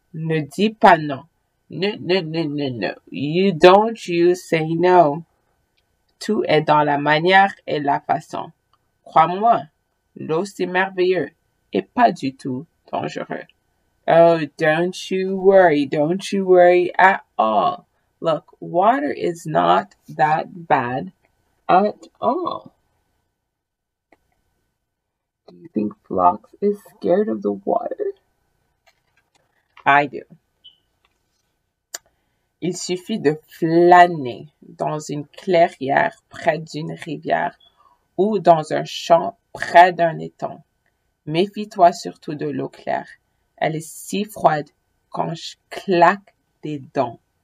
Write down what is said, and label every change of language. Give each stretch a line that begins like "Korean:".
French: Ne dis pas non. Ne, ne, ne, ne, ne.
English: You don't, you say no.
French: Tout est dans la manière et la façon. Crois-moi, l'eau c'est merveilleux et pas du tout dangereux.
English: Oh, don't you worry. Don't you worry at all. Look, water is not that bad at all. Do you think Flox is scared of the water? I do.
French: Il suffit de flâner dans une clairière près d'une rivière ou dans un champ près d'un étang. Méfie-toi surtout de l'eau claire. Elle est si froide quand je claque des dents.